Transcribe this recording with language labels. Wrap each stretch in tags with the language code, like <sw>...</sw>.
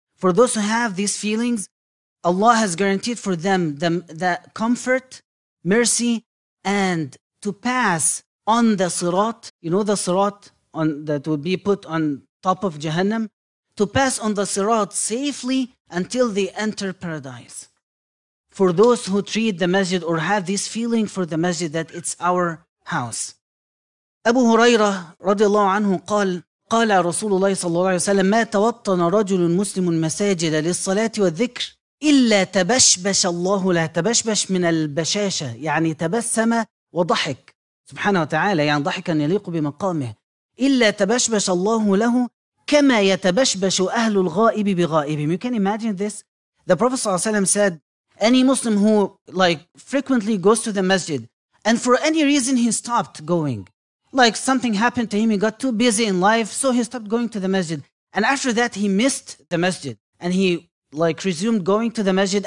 <en>For those who have these feelings, Allah has guaranteed for them the comfort, mercy, and to pass on the sirat. You know the sirat on, that would be put on top of Jahannam? To pass on the sirat safely until they enter paradise. For those who treat the masjid or have this feeling for the masjid that it's our house.</en> <ar>Abu Hurairah radiallahu anhu قال قال رسول الله صلى الله عليه وسلم ما توطن رجل مسلم المساجد للصلاة والذكر إلا تبشبش الله لا تبشبش من البشاشة يعني تبسم وضحك سبحانه وتعالى يعني ضحكا يليق بمقامه إلا تبشبش الله له كَمَا يَتَبَشْبَشُ أَهْلُ الْغَائِبِ بِغَائِبِهِ</ar> <en>You can imagine this. The Prophet ﷺ said, any Muslim who like frequently goes to the masjid, and for any reason he stopped going. Like something happened to him, he got too busy in life, so he stopped going to the masjid. And after that he missed the masjid. And he like resumed going to the masjid.</en>